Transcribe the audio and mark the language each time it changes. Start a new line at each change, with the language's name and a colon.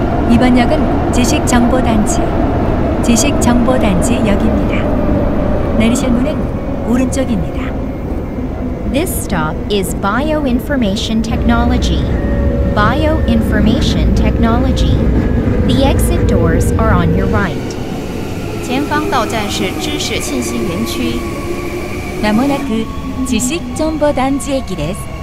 Korean: 이번 역은 지식정보단지, 지식정보단지 역입니다. 내리실 문은 오른쪽입니다.
English: This stop is Bioinformation Technology. Bioinformation Technology. The exit doors are on your right.
Chinese: 前方到站是知识信息园区.
Japanese: 나무나크
Korean: 지식정보단지 역입니다.